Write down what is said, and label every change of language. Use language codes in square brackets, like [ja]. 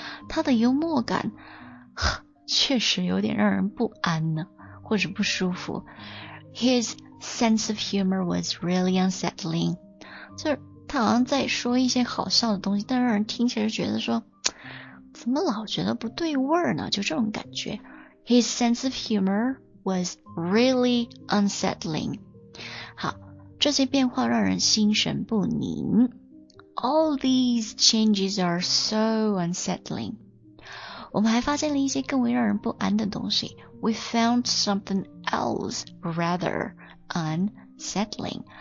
[zh] 它的幽默感确实有点让人不安呢，或者不舒服。 [en] His sense of humor was really unsettling， [zh] 就是他好像在说一些好笑的东西，但让人听起来觉得说怎么老觉得不对味儿呢，就这种感觉。 [en] His sense of humor was really unsettling。 [zh] 好，这些变化让人心神不宁。 [en] All these changes are so unsettling。 [zh] 我们还发现了一些更为让人不安的东西。 [en] We found something else rather unsettling。